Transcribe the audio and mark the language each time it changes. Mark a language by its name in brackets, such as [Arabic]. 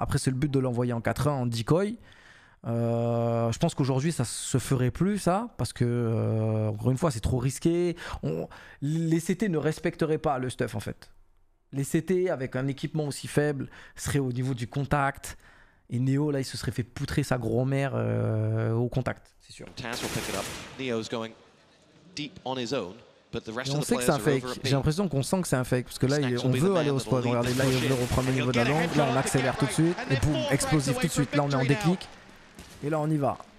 [French] Après c'est le but de l'envoyer en 4-1 en decoy. Je pense qu'aujourd'hui ça se ferait plus ça, parce que encore une fois c'est trop risqué. Les CT ne respecteraient pas le stuff en fait. Les CT avec un équipement aussi faible seraient au niveau du contact. Et Neo là il se serait fait poutrer sa grand-mère au contact. C'est sûr. [English] Neo's going deep on his own. [French] Mais on sait que c'est un fake. J'ai l'impression qu'on sent que c'est un fake. Parce que là, on veut aller au spawn. Regardez, là, il veut reprendre le niveau de la langue. Là, on accélère tout de suite. Et boum, explosif tout de suite. Là, on est en déclic. Et là, on y va.